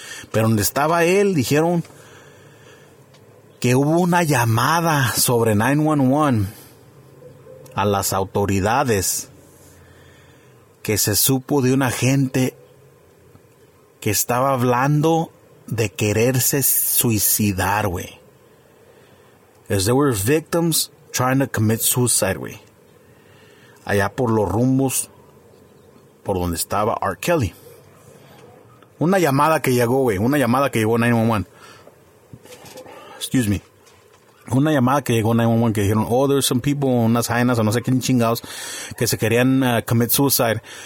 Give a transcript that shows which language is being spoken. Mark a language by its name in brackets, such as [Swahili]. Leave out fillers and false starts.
[Spanish] Pero donde estaba él, dijeron que hubo una llamada sobre 911 a las autoridades, que se supo de un agente que estaba hablando de quererse suicidar, güey. [English] As there were victims trying to commit suicide, güey. [Spanish] Allá por los rumbos, por donde estaba R. Kelly. Una llamada que llegó, güey. Una llamada que llegó 911. [English] Excuse me. [Spanish] Una llamada que llegó 911 que dijeron, [English] oh, there's some people, [Spanish] unas jainas o no sé quién chingados, que se querían [English] commit suicide.